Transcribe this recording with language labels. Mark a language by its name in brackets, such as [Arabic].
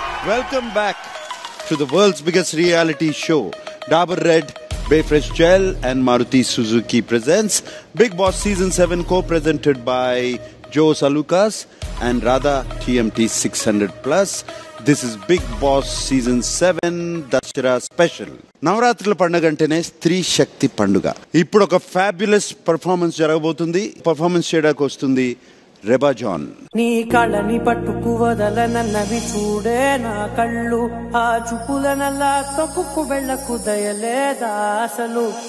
[English] Welcome back to the world's biggest reality show. Dabur red, Bay Fresh Gel and Maruti Suzuki presents Bigg Boss Season 7, co-presented by Joe Salukas and Radha TMT 600+. This is Bigg Boss Season 7 Dussehra Special. [Telugu] నవరాత్రుల పండుగంటేనే స్త్రీ శక్తి పండుగ. ఇప్పుడు ఒక fabulous performance జరగబోతుంది. Performance చేయడానికి వస్తుంది Reba John. నీ కళ్ళని పట్టుకు వదల నన్నవి చూడే నా కళ్ళు, ఆ చుప్పుల నల్ల తొక్కు వెళ్ళకు దయలేదా అసలు.